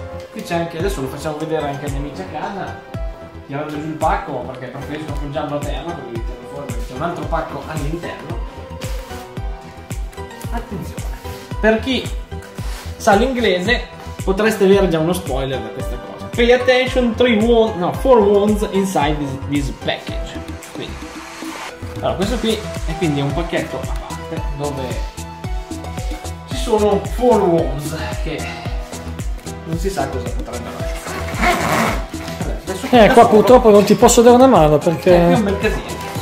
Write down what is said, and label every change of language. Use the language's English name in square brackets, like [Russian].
[Italian] Qui c'è anche, adesso lo facciamo vedere anche agli amici a casa, tirando giù il pacco, perché preferisco appoggiarlo a terra, quindi tiro fuori, perché c'è un altro pacco all'interno. Attenzione, per chi sa l'inglese potreste avere già uno spoiler da questa cosa. [English] Pay attention, 4 wounds inside this package. [Italian] Quindi, allora, questo qui è quindi un pacchetto a parte dove ci sono 4 wounds che non si sa cosa potrebbero essere. Allora, qua solo, purtroppo non ti posso dare una mano perché è un bel casino.